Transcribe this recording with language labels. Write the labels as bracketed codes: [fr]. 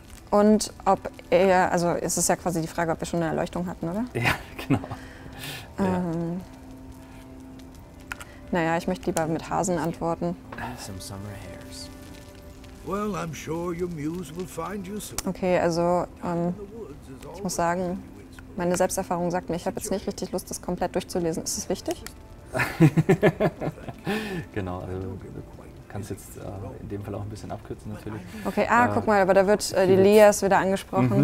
[de] Und ob er, also es ist ja quasi die Frage, ob wir schon eine Erleuchtung hatten, oder? Ja, genau. Naja, ich möchte lieber mit Hasen antworten. [en] Some summer hares. Well, I'm sure your muse will find you soon. [de] Okay, also ich muss sagen, meine Selbsterfahrung sagt mir, ich habe jetzt nicht richtig Lust, das komplett durchzulesen. Ist es wichtig? Genau, also kannst jetzt in dem Fall auch ein bisschen abkürzen natürlich. Okay, guck mal, aber da wird die Lias wieder angesprochen.